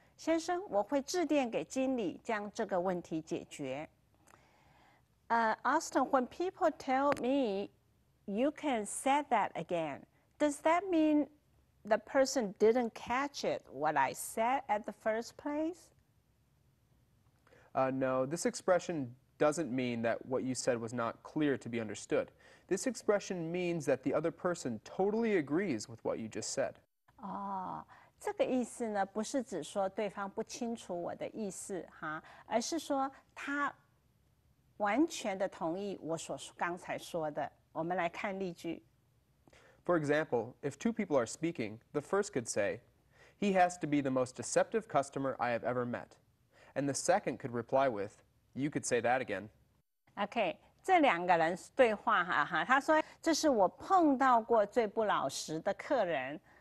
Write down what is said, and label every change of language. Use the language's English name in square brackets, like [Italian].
[Chinese] 先生,我会致电给经理将这个问题解决。 [English] Austin, when people tell me you can say that again, does that mean the person didn't catch it, what I said at the first place? No, this expression doesn't mean that what you said was not clear to be understood. This expression means that the other person totally agrees with what you just said. [Chinese] Oh, 这个意思呢，不是指说对方不清楚我的意思哈，而是说他完全的同意我所刚才说的。我们来看例句。 [English] For example, if two people are speaking, the first could say, "He has to be the most deceptive customer I have ever met," and the second could reply with, "You could say that again." [Chinese] Okay, 这两个人对话哈，他说这是我碰到过最不老实的客人。